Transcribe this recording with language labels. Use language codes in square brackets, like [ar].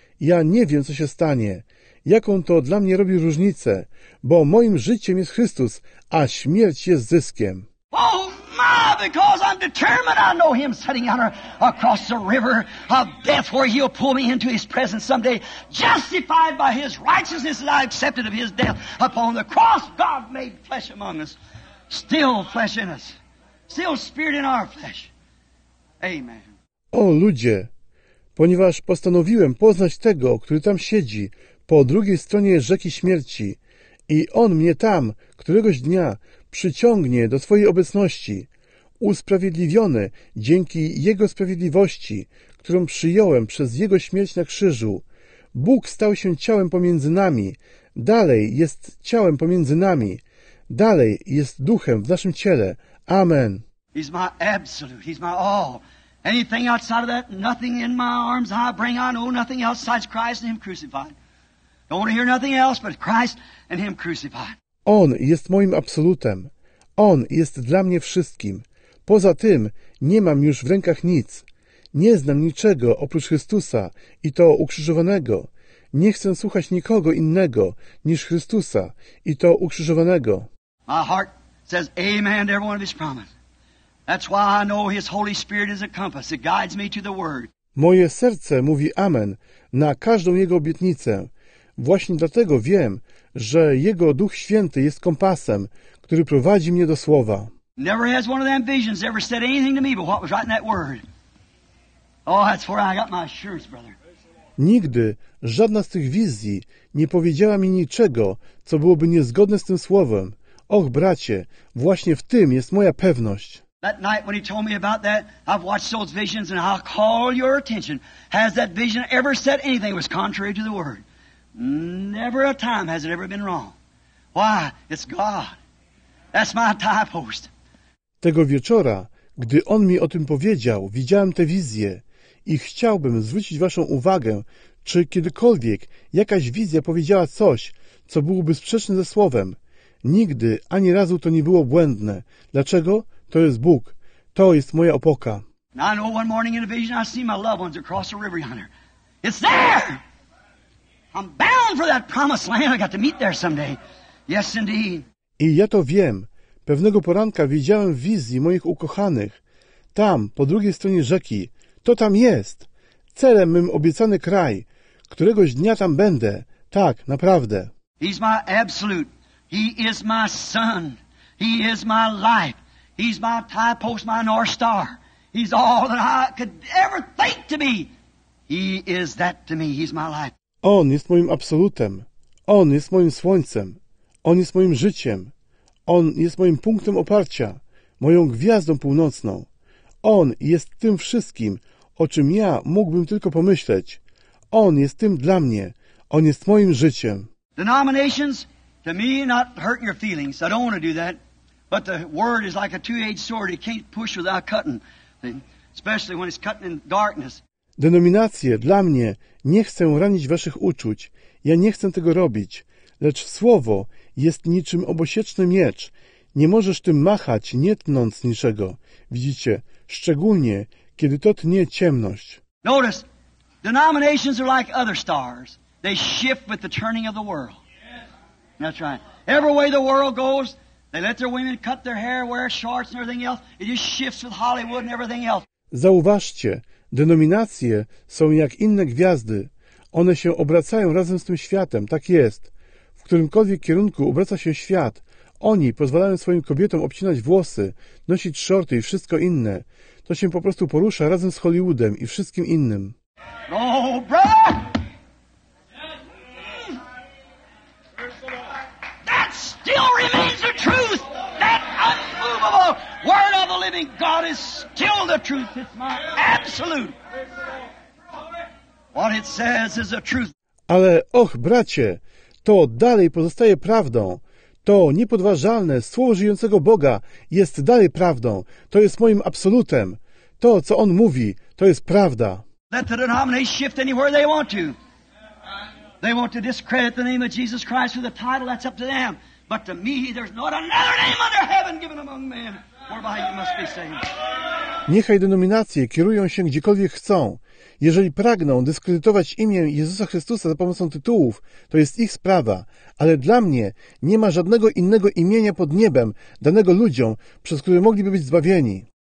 [pl] Ja nie wiem, co się stanie. Jaką to dla mnie robi różnicę? Bo moim życiem jest Chrystus, a śmierć jest zyskiem. [en] Oh my, because I'm determined. I know him setting out across the river of death where he'll pull me into his presence someday, justified by his righteousness that I accepted of his death upon the cross. God made flesh among us, still flesh in us, still spirit in our flesh. Amen. [pl] O ludzie, ponieważ postanowiłem poznać tego, który tam siedzi po drugiej stronie rzeki śmierci, i on mnie tam któregoś dnia przyciągnie do swojej obecności, usprawiedliwiony dzięki jego sprawiedliwości, którą przyjąłem przez jego śmierć na krzyżu. Bóg stał się ciałem pomiędzy nami, dalej jest ciałem pomiędzy nami, dalej jest duchem w naszym ciele. Amen. [en] He's my absolute, he's my all. Anything outside of that, nothing in my arms I bring, I know nothing outside Christ and him crucified. Don't want to hear nothing else but Christ and him crucified. [pl] On jest moim absolutem. On jest dla mnie wszystkim. Poza tym nie mam już w rękach nic. Nie znam niczego oprócz Chrystusa i to ukrzyżowanego. Nie chcę słuchać nikogo innego niż Chrystusa i to ukrzyżowanego. [en] My heart says amen to every one of his promises. That's why I know his Holy Spirit is a compass. It guides me to the word. [pl] Moje serce mówi amen na każdą jego obietnicę. Właśnie dlatego wiem, że Jego Duch Święty jest kompasem, który prowadzi mnie do Słowa. [en] Never has one of them visions ever said anything to me but what was right in that word. Oh, that's where I got my assurance, brother. [pl] Nigdy żadna z tych wizji nie powiedziała mi niczego, co byłoby niezgodne z tym Słowem. Och, bracie, właśnie w tym jest moja pewność. [en] That night when he told me about that, I've watched those visions and I'll call your attention. Has that vision ever said anything that was contrary to the word? Never a time has it ever been wrong. Why? It's God. That's my tie post. [pl] Tego wieczora, gdy on mi o tym powiedział, widziałem te wizje i chciałbym zwrócić waszą uwagę, czy kiedykolwiek jakaś wizja powiedziała coś, co byłoby sprzeczne ze Słowem. Nigdy ani razu to nie było błędne. Dlaczego? To jest Bóg. To jest moja opoka. [en] I know one morning in a vision I see my loved ones across the river yonder. It's there! I'm bound for that promised land. I got to meet there someday. Yes, indeed. [pl] I ja to wiem. Pewnego poranka widziałem w wizji moich ukochanych. Tam, po drugiej stronie rzeki. To tam jest. Celem mym obiecany kraj. Któregoś dnia tam będę. Tak, naprawdę. [en] He's my absolute. He is my son. He is my life. He's my tie post, my north star. He's all that I could ever think to be. He is that to me. He's my life. [pl] On jest moim absolutem. On jest moim słońcem. On jest moim życiem. On jest moim punktem oparcia, moją gwiazdą północną. On jest tym wszystkim, o czym ja mógłbym tylko pomyśleć. On jest tym dla mnie. On jest moim życiem. [en] Denominations to me not hurting your feelings. I don't want to do that. But the word is like a two-edged sword. It can't push without cutting. Especially when it's cutting in darkness. [pl] Denominacje dla mnie nie chcę ranić waszych uczuć. Ja nie chcę tego robić. Lecz słowo jest niczym obosieczny miecz. Nie możesz tym machać, nie tnąc niczego. Widzicie, szczególnie, kiedy to tnie ciemność. [en] Notice, denominations are like other stars. They shift with the turning of the world. That's right. Every way the world goes, they let their women cut their hair, wear shorts and everything else. It just shifts with Hollywood and everything else. [pl] Zauważcie, denominacje są jak inne gwiazdy. One się obracają razem z tym światem, tak jest. W którymkolwiek kierunku obraca się świat, oni pozwalają swoim kobietom obcinać włosy, nosić shorty i wszystko inne. To się po prostu porusza razem z Hollywoodem i wszystkim innym. [en] Oh, brother! That still remains the truth! That unmovable word of the living God is still the truth! It's my absolute! What it says is the truth. [pl] Ale och, bracie, to dalej pozostaje prawdą. To niepodważalne słowo żyjącego Boga jest dalej prawdą. To jest moim absolutem. To, co On mówi, to jest prawda. [en] Let the denominations shift anywhere they want to. They want to discredit the name of Jesus Christ with a title, that's up to them. But to me, there's not another name under heaven given among men whereby you must be saved. [pl] Niechaj denominacje kierują się gdziekolwiek chcą. Jeżeli pragną dyskredytować imię Jezusa Chrystusa za pomocą tytułów, to jest ich sprawa, ale dla mnie nie ma żadnego innego imienia pod niebem danego ludziom, przez które mogliby być zbawieni.